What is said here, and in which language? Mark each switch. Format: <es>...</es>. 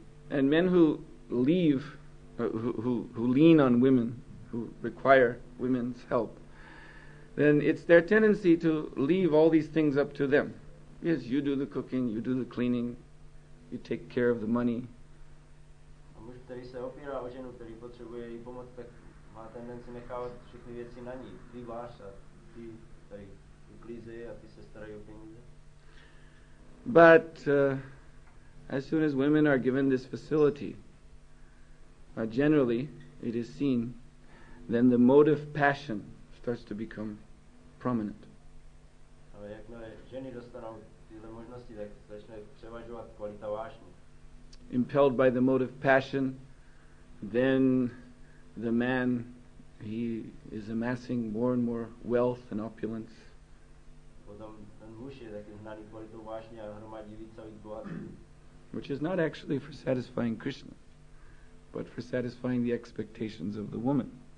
<en>And men who leave, who lean on women, who require women's help, then it's their tendency to leave all these things up to them. Yes, you do the cooking, you do the cleaning, you take care of the money.</en> <cs>A muž, který se opírá o ženu, který potřebuje její pomoc, tak má tendenci nechávat všechny věci na ní. Ty váš a ty tady uklízej a ty se starají o peníze.</cs> <en>But as soon as women are given this facility, generally it is seen, then the motive passion starts to become prominent.</en> <cs>Ale jakmile ženy dostanou tyhle možnosti, tak začne převažovat kvalita vášně.</cs> <en>Impelled by the motive passion, then the man, he is amassing more and more wealth and opulence.</en> <cs>Potom ten muž je taky hnaný kvalitou vášně a hromadí víc a víc bohatství.</cs> <en>Which is not actually for satisfying Krishna, but for satisfying the expectations of the woman.</en>